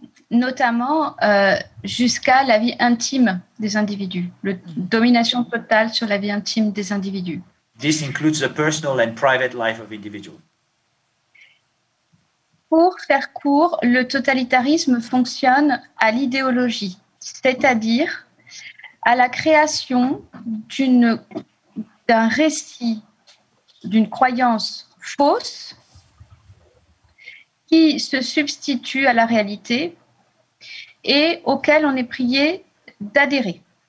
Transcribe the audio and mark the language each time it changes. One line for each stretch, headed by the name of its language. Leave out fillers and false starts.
French: Notamment jusqu'à la vie intime des individus, la domination totale sur la vie intime des individus.
English: This includes the personal and private life of individuals.
French: Pour faire court, le totalitarisme fonctionne à l'idéologie, c'est-à-dire à la création d'un récit, d'une croyance fausse qui se substitue à la réalité et auquel on est prié d'adhérer.